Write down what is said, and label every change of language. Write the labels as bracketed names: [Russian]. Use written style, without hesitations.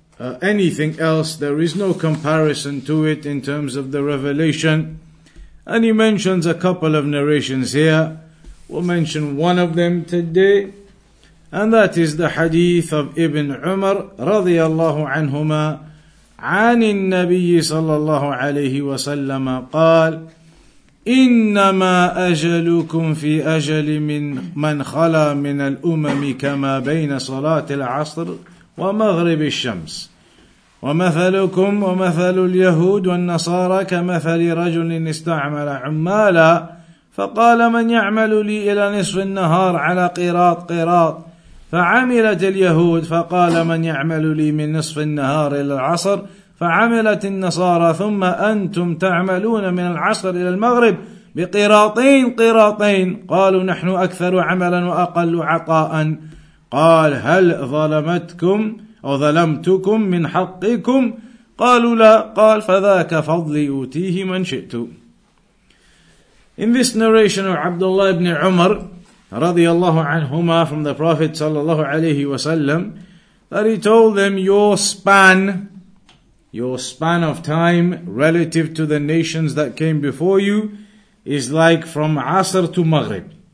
[English] anything else. There is no comparison to it in terms of the revelation. And he mentions a couple of narrations here. We'll mention one of them today. And that is the hadith of Ibn Umar radiallahu anhuma. [Arabic] عن النبي صلى الله عليه وسلم قال إنما أجلكم في أجل من من خلا من الأمم كما بين صلاة العصر ومغرب الشمس ومثلكم ومثل اليهود والنصارى كمثل رجل استعمل عمالا فقال من يعمل لي إلى نصف النهار على قراط قراط فعملت اليهود فقال من يعمل لي من نصف النهار إلى العصر فعملت النصارى ثم أنتم تعملون من العصر إلى المغرب بقراطين قراطين قالوا نحن أكثر عملا وأقل عطاء قال هل ظلمتكم أو ظلمتكم من حقكم قالوا لا قال فذاك فضلي أوتيه من شئت. [English] In this narration of Abdullah ibn Umar radiallahu anhuma from the Prophet sallallahu alayhi wa sallam, that he told them, your span of time relative to the nations that came before you is like from Asr to Maghrib.